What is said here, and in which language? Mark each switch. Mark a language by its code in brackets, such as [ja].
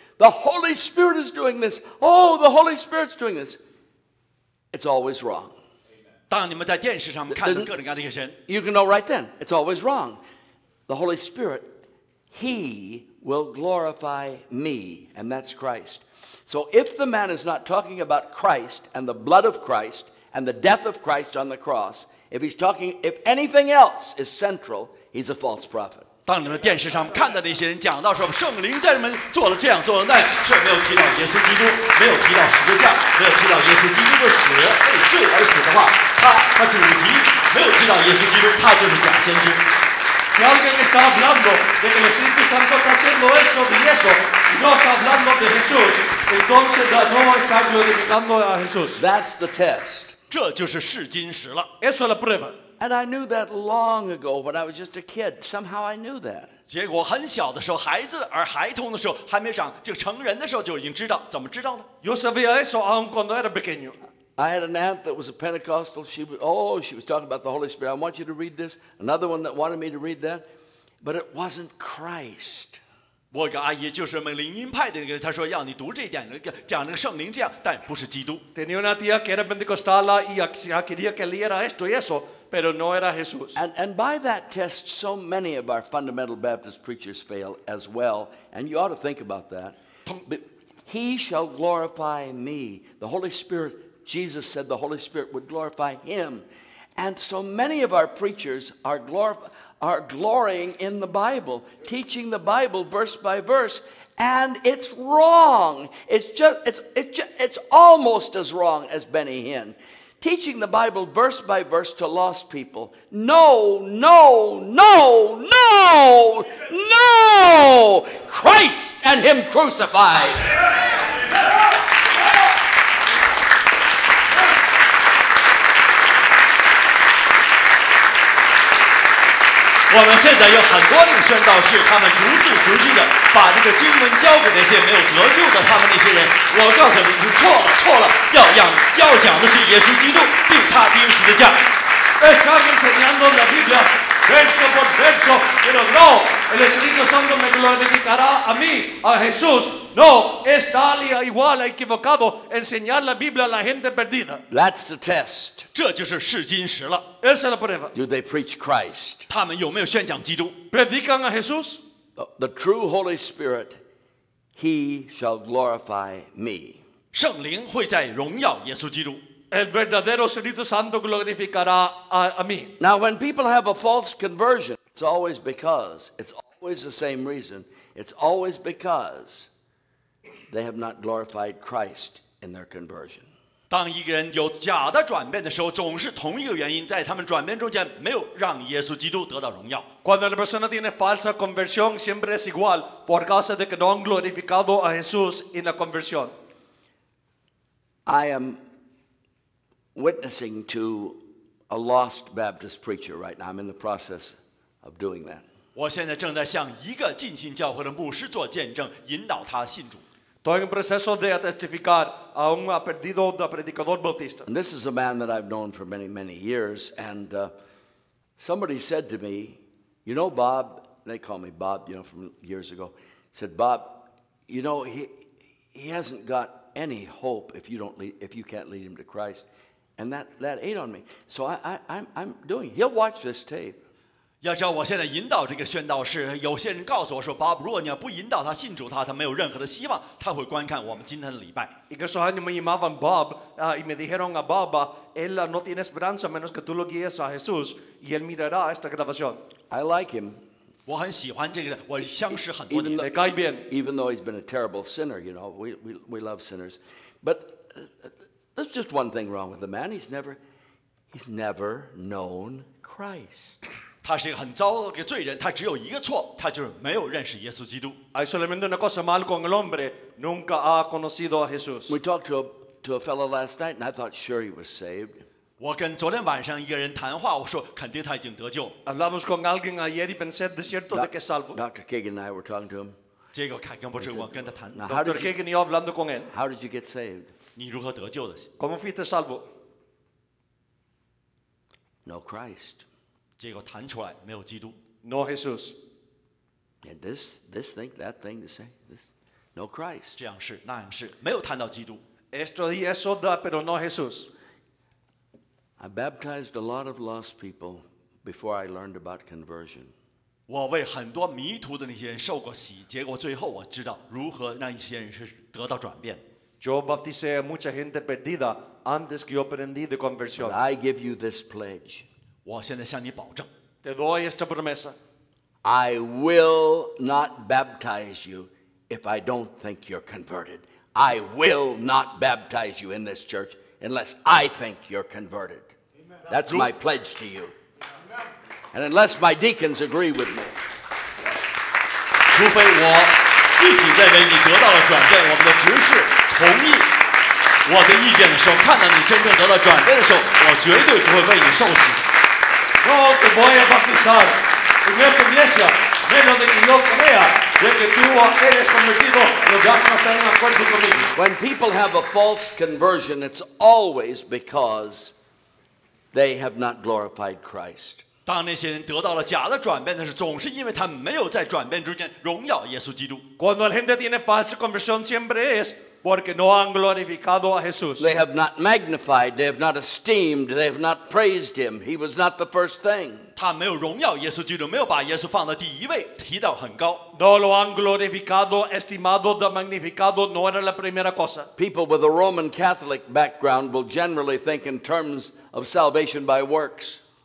[en] The Holy Spirit is doing this. Oh, the Holy Spirit's doing this. It's always wrong. [zh] 当你们在电视上看到各种各样的一个神， [en] you can know right then. It's always wrong. The Holy Spirit, He will glorify me, and that's Christ. So if the man is not talking about Christ and the blood of Christ and the death of Christ on the cross, if anything else is central, he's a false prophet. [zh] 当你们电视上看到的一些人讲到说圣灵在人们做了这样做了那样，却没有提到耶稣基督，没有提到十字架，没有提到耶稣基督的死为罪而死的话，他主题没有提到耶稣基督，他就是假先知。 [es] Si alguien está hablando de que el Espíritu Santo está haciendo esto y eso, y no está hablando de Jesús, entonces no está glorificando a Jesús. [en] That's the test. [zh] 这就是试金石了。 [es] Eso es la prueba. [en] And I knew that long ago when I was just a kid. Somehow I knew that. [zh] 结果很小的时候，孩子而孩童的时候，还没长，就成人的时候就已经知道。怎么知道呢？ [es] Yo sabía eso aun cuando era pequeño. [en] I had an aunt that was a Pentecostal. She was talking about the Holy Spirit. I want you to read this. Another one that wanted me to read that. But it wasn't Christ. [zh] 我一个阿姨就是门灵音派的那个，她说要你读这一点，讲那个圣灵这样，但不是基督。 [es] Tenía una tía que era Pentecostal y ya quería que leyera esto y eso. Pero no era Jesús. [en] And by that test, so many of our fundamental Baptist preachers fail as well. And you ought to think about that. But he shall glorify me. The Holy Spirit, Jesus said the Holy Spirit would glorify him. And so many of our preachers are glorying in the Bible, teaching the Bible verse by verse. And it's wrong. It's almost as wrong as Benny Hinn. Teaching the Bible verse by verse to lost people. No, no, no, no, no! Christ and Him crucified! [zh] 我们现在有很多领宣道士，他们逐字逐句的把这个经文交给那些没有得救的他们那些人。我告诉你，你错了，错了，要讲的是耶稣基督，并他钉十字架。 [es] Estás enseñando la Biblia verso por verso, pero no, el Espíritu Santo me glorificará a mí, a Jesús. No, está igual equivocado enseñar la Biblia a la gente perdida. [en] That's the test. [zh] 这就是试金石了。 [es] Esa es la prueba. [en] Do they preach Christ? [zh] 他们有没有宣讲基督？ [es] ¿Predican a Jesús? [en] The true Holy Spirit, He shall glorify me. [zh] 圣灵会在荣耀耶稣基督。 [es] El verdadero Espíritu Santo glorificará a mí. [en] Now, when people have a false conversion, it's always because, it's always the same reason, it's always because they have not glorified Christ in their conversion. [zh] 当一个人有假的转变的时候，总是同一个原因，在他们转变中间没有让耶稣基督得到荣耀。 [es] Cuando la persona tiene falsa conversión, siempre es igual por causa de que no han glorificado a Jesús en la conversión. [en] I am... witnessing to a lost Baptist preacher right now. I'm in the process of doing that. [zh] 我现在正在向一个浸信教会的牧师做见证，引导他信主。 [es] Estoy en proceso de testificar a un perdido predicador bautista. [en] This is a man that I've known for many, many years, and somebody said to me, "You know, Bob," they call me Bob, you know, from years ago. Said, "Bob, you know, he hasn't got any hope if you don't lead, if you can't lead him to Christ." And that ate on me. So I'm doing. He'll watch this tape. [zh] 要知道我现在引导这个宣道士，有些人告诉我说 ，Bob， 如果你要不引导他信主他没有任何的希望，他会观看我们今天的礼拜。 [es] Y que eso ánimo y maban Bob, y me dijeron a Bob, él no tiene esperanza menos que tú lo guíes a Jesús y él mirará esta grabación. [en] I like him. [zh] 我很喜欢这个人，我相识很多年。 [en] Even though he's been a terrible sinner, you know, we love sinners, but. There's just one thing wrong with the man. He's never known Christ. [zh] 他是一个很糟糕的罪人。他只有一个错，他就是没有认识耶稣基督。 [es] Hay solamente una cosa mal con el hombre. Nunca ha conocido a Jesús. [en] We talked to a, to a fellow last night, and I thought sure he was saved. [zh] 我跟昨天晚上一个人谈话，我说肯定他已经得救。 [es] Hablamos con alguien ayer y pensé de cierto de que salvo. [en] Dr. Kagan and I were talking to him. [zh] 结果凯根博士，我跟他谈。 [en] Dr. [es] Kagan y yo hablando con él. [en] How did you get saved? [zh] 你如何得救的 [es] ？Cómo fuiste salvo? [en] No Christ. [zh] 结果谈出来没有基督。 [es] No Jesús. [en] And this thing, that thing to say this, no Christ. [zh] 这样是那样是，没有谈到基督。 [es] Esto y eso da, pero no Jesús. [en] I baptized a lot of lost people before I learned about conversion. [zh] 我为很多迷途的那些人受过洗，结果最后我知道如何让一些人是得到转变。 [es] Yo bauticé a mucha gente perdida antes que yo aprendí de conversión. [en] I give you this pledge. [zh] 我现在向你保证。 [es] Te doy esta promesa. [en] I will not baptize you if I don't think you're converted. I will not baptize you in this church unless I think you're converted. That's my pledge to you. And unless my deacons agree with me. [zh] 除非我自己认为你得到了转变，我们的执事同意我的意见的时候，看到你真正得到转变的时候，我绝对不会为你受洗。 [es] No te voy a bautizar en esta iglesia, menos de que yo crea de que tú eres convertido, los diáconos están en acuerdo conmigo. [en] When people have a false conversion, it's always because they have not glorified Christ. [zh] 当那些人得到了假的转变，那是总是因为他们没有在转变之间荣耀耶稣基督。 [es] Cuando la gente tiene falsa conversión, siempre es. Porque no han glorificado a Jesús. [en] They have not magnified, they have not esteemed, they have not praised him. He was not the first thing. [zh] 他没有荣耀耶稣基督，没有把耶稣放到第一位，提到很高。 [es] No lo han glorificado, estimado, magnificado, no era la primera cosa. [en] People with a Roman Catholic background will generally think in terms of salvation by works.